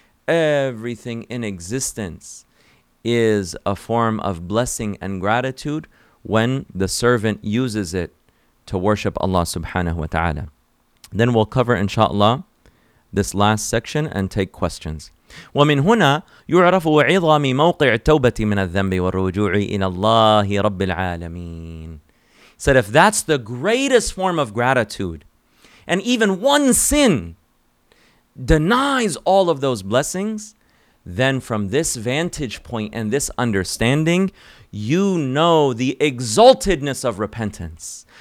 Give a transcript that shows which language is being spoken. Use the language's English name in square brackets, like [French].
[English] Everything in existence is a form of blessing and gratitude when the servant uses it to worship Allah subhanahu wa ta'ala. Then we'll cover, inshallah, this last section and take questions. [Arabic] ومن هنا يعرف عظم موقع التوبة من الذنب والرجوع إلى الله رب العالمين. [English] Said if that's the greatest form of gratitude, and even one sin denies all of those blessings, then from this vantage point and this understanding, you know the exaltedness of repentance.